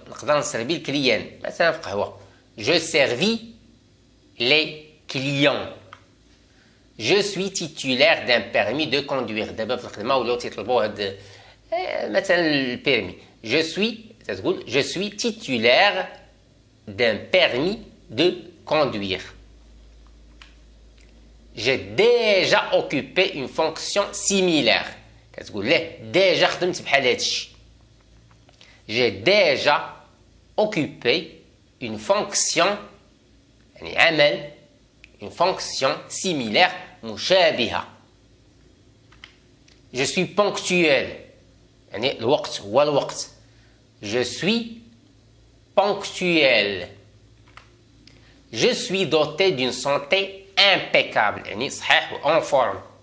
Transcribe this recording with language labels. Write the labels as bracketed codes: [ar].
[ar] نقدر نسربي الكليان مثلا في قهوة. [fr] Je servis les clients. Je suis titulaire d'un permis de conduire. [ar] دابا في الخدمة ولاو تيطلبوا هاد مثلا البيرمي. [fr] Je suis [ar] تقول [fr] je suis titulaire d'un permis de conduire. J'ai déjà occupé une fonction similaire. [ar] كتقول ليه ديجا خدمت بحال هادشي. [fr] جي ديجا اوكوبي اون فونكسيون [ar] يعني عمل [fr] une fonction similaire [ar] مشابهة. [fr] Je suis ponctuel. [ar] يعني الوقت هو الوقت. [fr] Je suis ponctuel. Je suis doté d'une santé impeccable. [ar] يعني صحيح [fr] en forme.